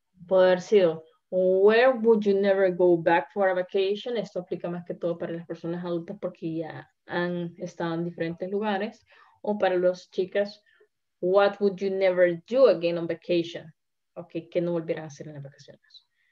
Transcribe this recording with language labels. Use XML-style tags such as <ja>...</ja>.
<es>Puede haber sido,</es> <en>where would you never go back for a vacation?</en> <es>Esto aplica más que todo para las personas adultas porque ya han estado en diferentes lugares. O para las chicas,</es> <en>what would you never do again on vacation?</en> <es>Ok, que no volvieran a hacer en las vacaciones.</es>